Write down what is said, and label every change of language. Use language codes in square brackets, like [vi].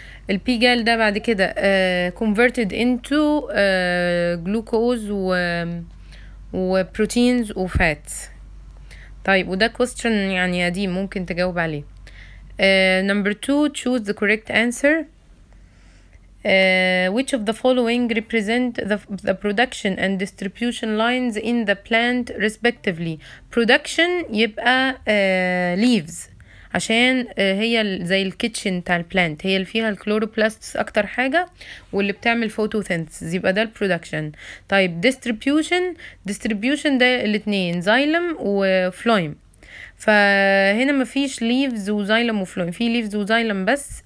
[ar] البيجال ده بعد كده [en] converted into glucose [ar] و proteins و fats. طيب وده question يعني قديم ممكن تجاوب عليه. [en] Number two, choose the correct answer. Which of the following represent the production and distribution lines in the plant respectively? [ar] Production يبقى leaves عشان هي زي الكيتشن بتاع البلانت، هي اللي فيها الكلوروبلاست اكتر حاجه واللي بتعمل فوتوسينثيز، يبقى ده البرودكشن. طيب ديستريبيوشن ده الاثنين زايلم وفلويم، فهنا مفيش ليفز وزايلم وفلويم، في ليفز وزايلم بس.